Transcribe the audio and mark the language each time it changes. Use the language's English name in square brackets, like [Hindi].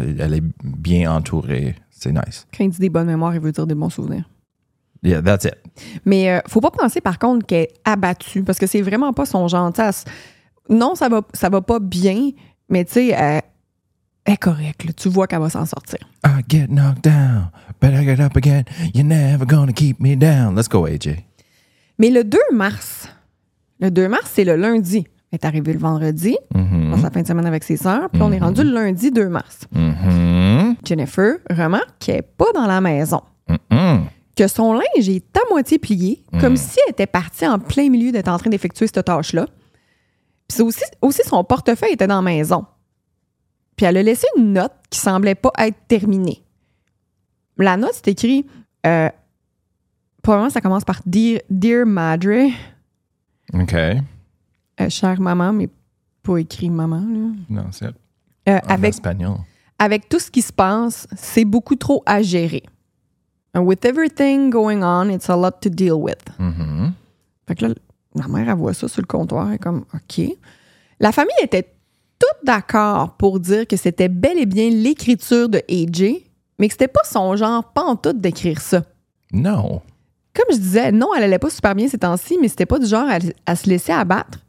[French] Elle est bien entourée. C'est nice. Quand il dit des bonnes mémoires, il veut dire des bons souvenirs. [English] Yeah, that's it. [French] Mais faut pas penser, par contre, qu'elle est abattue, parce que c'est vraiment pas son gentasse. Non, ça va pas bien, mais tu sais, elle est correcte. Tu vois qu'elle va s'en sortir. [English] I get knocked down, but I get up again. You're never gonna keep me down. Let's go, AJ. [French] Mais le 2 mars, c'est le lundi. Elle est arrivée le vendredi, mm-hmm. dans sa fin de semaine avec ses sœurs, puis mm-hmm. on est rendu le lundi 2 mars. Mm-hmm. Jennifer remarque qu'elle n'est pas dans la maison. Mm-hmm. Que son linge est à moitié plié, comme si elle était partie en plein milieu d'être en train d'effectuer cette tâche-là. Puis c'est aussi son portefeuille était dans la maison. Puis elle a laissé une note qui semblait pas être terminée. La note, c'est écrit... probablement, ça commence par Dear Madre. OK. Chère maman, mais pas écrit maman, là. Non, c'est en avec, espagnol. Avec tout ce qui se passe, c'est beaucoup trop à gérer. [English] With everything going on, it's a lot to deal with. Mm-hmm. [French] Fait que là, la mère, elle voit ça sur le comptoir. Elle est comme, OK. La famille était toute d'accord pour dire que c'était bel et bien l'écriture de AJ, mais que c'était pas son genre pantoute d'écrire ça. Non. Comme je disais, non, elle allait pas super bien ces temps-ci, mais c'était pas du genre à se laisser abattre.